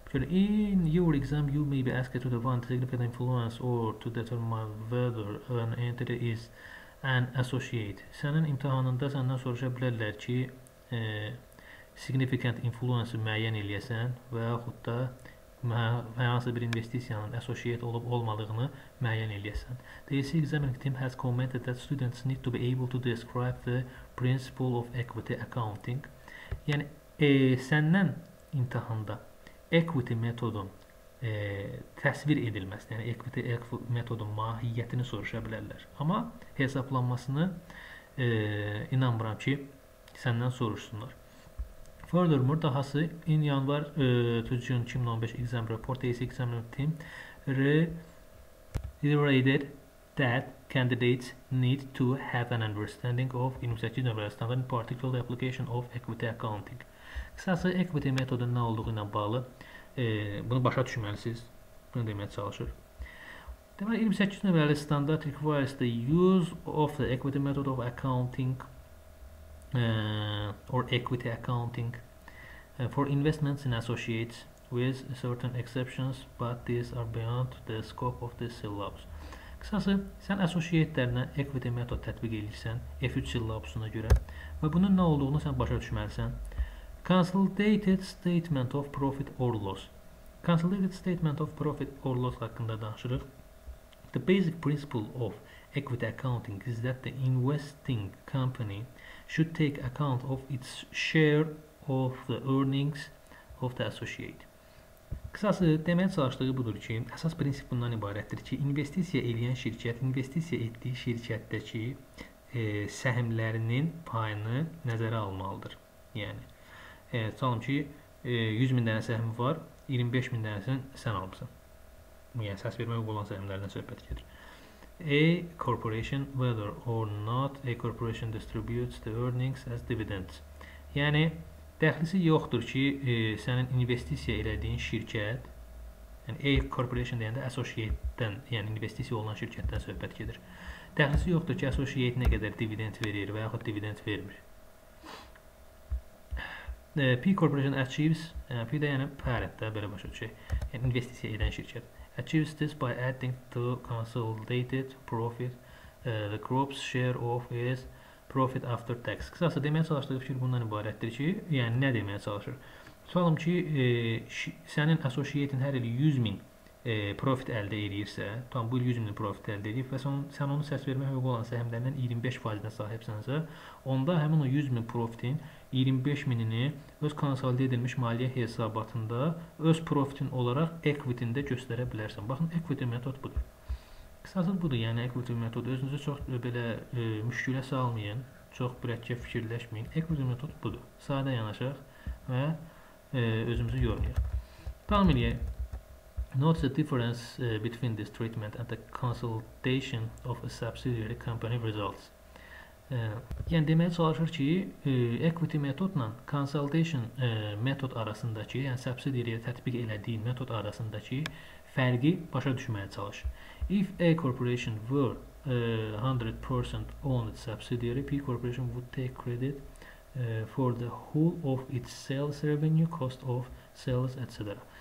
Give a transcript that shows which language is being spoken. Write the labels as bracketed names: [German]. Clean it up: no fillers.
[English] In your exam, you may be asked to define the significant influence or to determine whether an entity is an associate. [Azerbaijani] Sənin imtihanında səndən soruşa bilərlər ki, significant influence-ı müəyyən eləyəsən və yaxud da hansı bir investisiyanın associate olub-olmadığını müəyyən eləyəsən. [English] The examining team has commented that students need to be able to describe the principle of equity accounting. [Azerbaijani] Yəni, səndən imtihanda equity metodun təsvir edilməsi, yəni equity metodun mahiyyətini soruşa bilərlər. Amma hesablanmasını inanmıram ki, səndən soruşsunlar. [English] Furthermore, [Azerbaijani] dahası, [English] in yanvar to June 2015 exam report, the examining team reiterated that candidates need to have an understanding of university numerous standard, in particular the application of equity accounting. [Azerbaijani] Qısası, equity metodun nə olduğu ilə bağlı bunu başa düşməlisiniz. Bunu deməyə çalışır. Deməli 28 nömrəli standart [English] requires the use of the equity method of accounting or equity accounting for investments in associates with certain exceptions, but these are beyond the scope of this syllabus. [Azerbaijani] Qısası, sən associate-lərinə equity metod tətbiq edirsən F3 syllabusuna görə və bunun nə olduğunu sən başa düşməlisən. [English] Consolidated statement of profit or loss. Consolidated statement of profit or loss [Azerbaijani] haqqında danışırıq. [English] The basic principle of equity accounting is that the investing company should take account of its share of the earnings of the associate. [Azerbaijani] Qısası, deməyə çalışdığı budur ki, əsas prinsip bundan ibarətdir ki, investisiya edən şirkət, investisiya etdiyi şirkətdəki səhmlərinin payını nəzərə almalıdır. Yəni, çalım ki, 100 min dənə səhmi var, 25 min dənəsini sən almışsın. Yəni, səs vermək olan səhmlərindən söhbət gedir. [English] A corporation, whether or not a corporation distributes the earnings as dividends. [Azerbaijani] Yəni, dəxlisi yoxdur ki, sənin investisiya elədiyin şirkət, yəni A corporation deyəndə associate-dən, yəni investisiya olan şirkətdən söhbət gedir. Dəxlisi yoxdur ki, associate nə qədər dividend verir və yaxud dividend vermir. [English] P corporation achieves, [Azerbaijani] P də yəni parent-də belə başa düşək, yəni investisiya edən şirkət. [English] Achieves this by adding to consolidated profit the group's share of its profit after tax. [Azerbaijani] Qısası deməyə çalışdığı fikir bundan ibarətdir ki, yəni nə deməyə çalışır? Tutalım ki, sənin associate-in hər il 100 min profit əldə edirsə, tamam, bu il 100 min profit əldə edib və sən onu səs vermək hüququ olan səhmlərindən 25%-nə sahibsənsə, onda həmin o 100 min profitin 25 minini öz konsolide edilmiş maliyyə hesabatında öz profitin olaraq equity-ində göstərə bilərsən. Baxın, equity metod budur. Qısası budur, yəni equity metodu. Özünüzü çox belə müşkülə salmayın, çox mürəkkəb fikirləşməyin. Equity metod budur. Sadə yanaşaq və özümüzü yormayaq. Tamam eləyək. [English] Note the difference between this treatment and the consolidation of a subsidiary company results. [Azerbaijani] Yəni deməyə çalışır ki, equity metodla consolidation metod arasındakı, yəni subsidiary-ə tətbiq elədiyi metod arasındakı fərqi başa düşməyə çalış. [English] If A corporation were 100% owned subsidiary, P corporation would take credit for the whole of its sales revenue, cost of sales, etc.